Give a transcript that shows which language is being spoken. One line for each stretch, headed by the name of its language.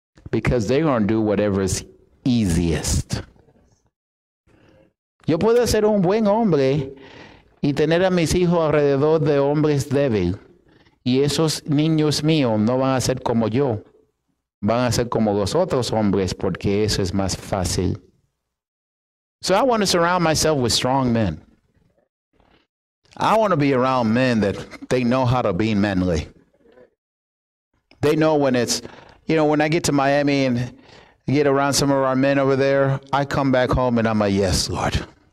English: Because they're going to do whatever is easiest.
Spanish: Yo puedo ser un buen hombre y tener a mis hijos alrededor de hombres débiles. Y esos niños míos no van a ser como yo. Van a ser como los otros hombres porque eso es más fácil.
English: So I want to surround myself with strong men. I want to be around men that they know how to be manly. They know when it's, you know, when I get to Miami and get around some of our men over there, I come back home and I'm like, yes, Lord.